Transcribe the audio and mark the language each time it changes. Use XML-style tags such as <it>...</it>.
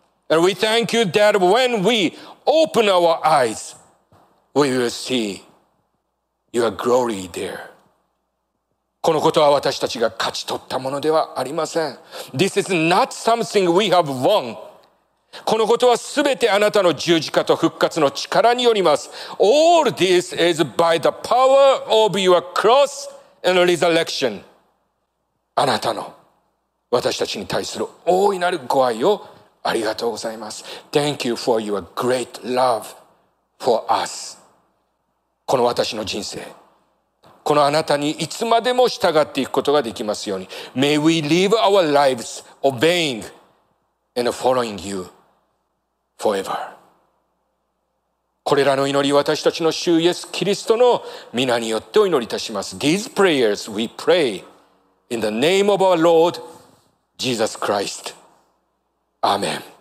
<en>And we thank you that when we open our eyes, we will see your glory there.</en> <ja>このことは私たちが勝ち取ったものではありません。</ja> <en>This is not something we have won.</en> <ja>このことはすべてあなたの十字架と復活の力によります。</ja> <en>All this is by the power of your cross and resurrection.</en> <ja>あなたの私たちに対する大いなるご愛をありがとうございます。</ja> <en>Thank you for your great love for us.</en> <ja>この私の人生、このあなたにいつまでも従っていくことができますように。</ja> <en>May we live our lives obeying and following you forever.</en> <ja>これらの祈り、私たちの主イエス・キリストの御名によってお祈りいたします。</ja> <en>These prayers we pray in the name of our Lord Jesus Christ. Amen.</en>